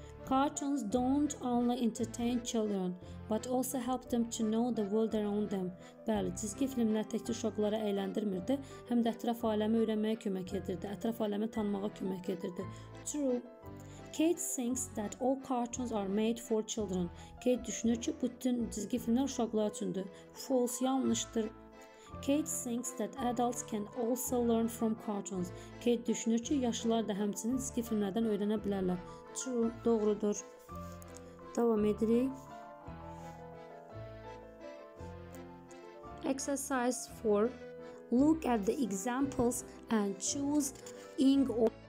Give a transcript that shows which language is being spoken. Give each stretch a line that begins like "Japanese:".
English: Cartoons don't only entertain children, but also help them to know the world around them.
Azerbaijani: Bəli, cizgi filmlər təkcə uşaqları əyləndirmirdi, həm də ətraf aləmi öyrənməyə kömək edirdi, ətraf aləmi tanımağa kömək edirdi.
English: True. Kate thinks that all cartoons are made for children.
Azerbaijani: Kate düşünür ki, bütün cizgi filmlər uşaqlar üçündür. False, yanlışdır.
English: Kate thinks that adults can also learn from cartoons.
Azerbaijani: Kate düşünür ki, yaşlılar da həmçinin cizgi filmlərdən öyrənə bilərlər.
English: True,
Azerbaijani: doğrudur. Davam edirik.
English: Exercise 4. Look at the examples and choose ing or